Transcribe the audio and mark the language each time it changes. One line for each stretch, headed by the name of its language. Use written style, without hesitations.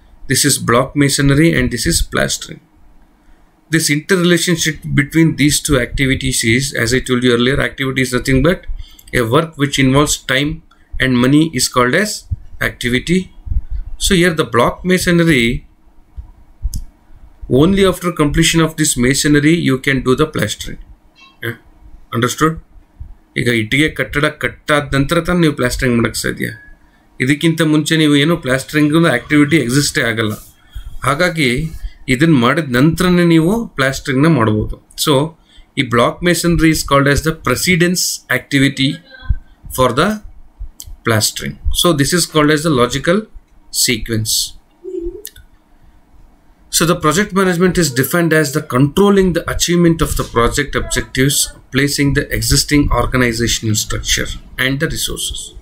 English: This is block masonry and this is plastering. This interrelationship between these two activities is, as I told you earlier, activity is nothing but a work which involves time and money is called as activity. So here the block masonry, only after completion of this masonry you can do the plastering. Yeah. Understood?
Kannada: ಈಗ ಇಟ್ಟಿಗೆ ಕಟ್ಟಡ ಕಟ್ಟಾದ ನಂತರ ತಾನೆ ನೀವು plastering ಮಾಡೋಕ್ಕೆ ಸಾಧ್ಯ. ಇದಕ್ಕಿಂತ ಮುಂಚೆ ನೀವು ಏನು ಪ್ಲಾಸ್ಟರಿಂಗ್ ಆಕ್ಟಿವಿಟಿ ಎಕ್ಸಿಸ್ಟೇ ಆಗಲ್ಲ. ಹಾಗಾಗಿ ಇದನ್ನು ಮಾಡಿದ ನಂತರನೇ ನೀವು ಪ್ಲಾಸ್ಟರಿಂಗ್ನ ಮಾಡ್ಬೋದು.
English: So ಈ block masonry is called as the precedence activity for the plastering. So this is called as the logical sequence. So the project management is defined as the controlling the achievement of the project objectives, placing the existing organizational structure and the resources.